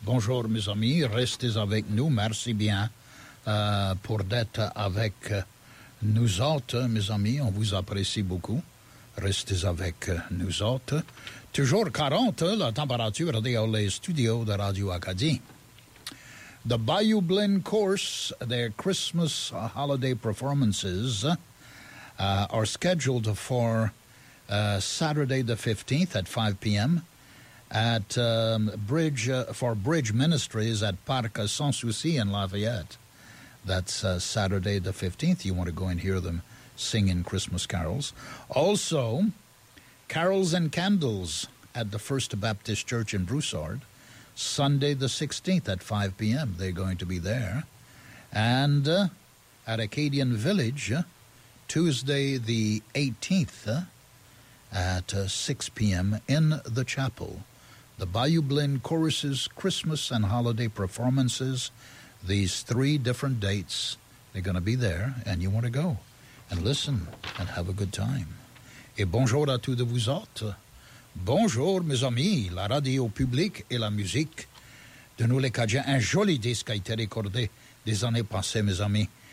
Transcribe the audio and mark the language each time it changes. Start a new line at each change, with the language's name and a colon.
French: Bonjour, mes amis. Restez avec nous. Merci bien pour d'être avec nous autres, mes amis. On vous apprécie beaucoup. Restez avec nous autres. Toujours 40, la température dans les studios de Radio Acadie.
English: The Bayou Blend Course, their Christmas holiday performances are scheduled for Saturday the 15th at 5 p.m. at Bridge for Bridge Ministries at Parc Sanssouci in Lafayette. That's Saturday the 15th. You want to go and hear them singing Christmas carols. Also, Carols and Candles at the First Baptist Church in Broussard, Sunday the 16th at 5 p.m. They're going to be there. And at Acadian Village, Tuesday the 18th at 6 p.m. in the chapel. The Bayou Blend Choruses Christmas and Holiday Performances. These three different dates, they're going to be there, and you want to go and listen and have a good time.
French: Et bonjour à tous de vous autres. Bonjour, mes amis, la radio publique et la musique de nous les Cajuns. Un joli disque a été recordé des années passées, mes amis.